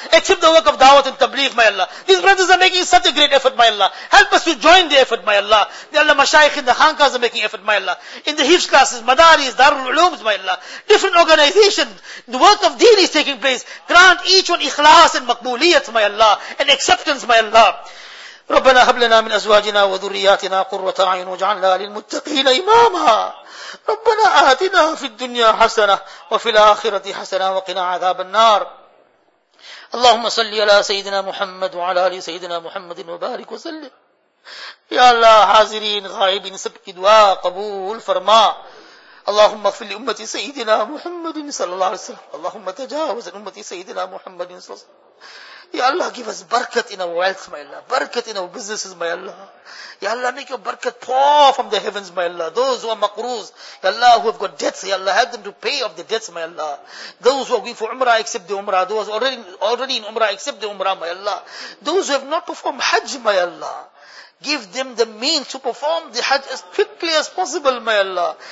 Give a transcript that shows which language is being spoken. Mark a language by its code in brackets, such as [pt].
[en] Accept the work of Dawat and Tabligh, my Allah. These brothers are making such a great effort, my Allah. Help us to join the effort, my Allah. The Allah Mashaykh in the Hankas are making effort, my Allah. In the Hifz classes, Madaris, Darul Ulooms, my Allah. Different organizations, the work of deen is taking place. Grant each one ikhlas and makbuliyat, my Allah. And acceptance, my Allah. [ar] ربنا هب لنا من ازواجنا وذرياتنا قرة اعين واجعلنا للمتقين اماما ربنا آتنا في الدنيا حسنة وفي الآخرة حسنة وقنا عذاب النار اللهم صل على سيدنا محمد وعلى آل سيدنا محمد وبارك وسلم يا الله [ur] حاضرين غائبين سبك دعاء قبول فرما [ar] اللهم اغفر لأمة سيدنا محمد صلى الله عليه وسلم اللهم تجاوز أمة سيدنا محمد صلى الله عليه وسلم [en] Ya Allah, give us barakat in our wealth, my Allah. Barakat in our businesses, my Allah. Ya Allah, make your barakat pour from the heavens, my Allah. Those who are maqroos, Ya Allah, who have got debts, Ya Allah, help them to pay off the debts, my Allah. Those who are going for Umrah, accept the Umrah. Those who are already in Umrah, accept the Umrah, my Allah. Those who have not performed Hajj, my Allah. Give them the means to perform the Hajj as quickly as possible, my Allah.